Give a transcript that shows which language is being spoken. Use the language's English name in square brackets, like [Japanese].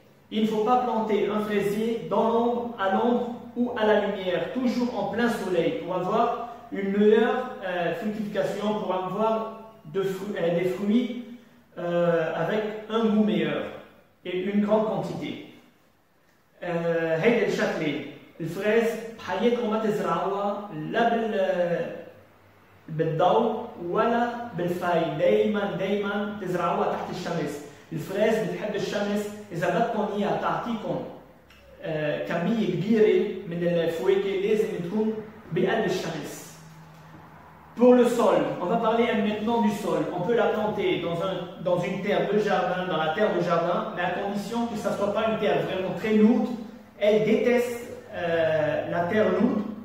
[French] Il ne faut pas planter un fraisier dans l'ombre, à l'ombre ou à la lumière, toujours en plein soleil pour avoir une meilleure fructification, pour avoir des fruits avec un goût meilleur et une grande quantité. [Arabic] هيدا الشكل الفريز بحياتكم ما تزرعوها لا بالضوء ولا بالفاي، دائما دائما تزرعوها تحت الشمس. الفريز بتحب الشمس، اذا بدكم اياها تعطيكم كميه كبيره من الفواكه لازم تكون بقلب الشمس. [French] Pour le sol, on va parler maintenant du sol. On peut la planter dans une terre de jardin, dans la terre de jardin, mais à condition que ça ne soit pas une terre vraiment très lourde. Elle déteste la terre lourde.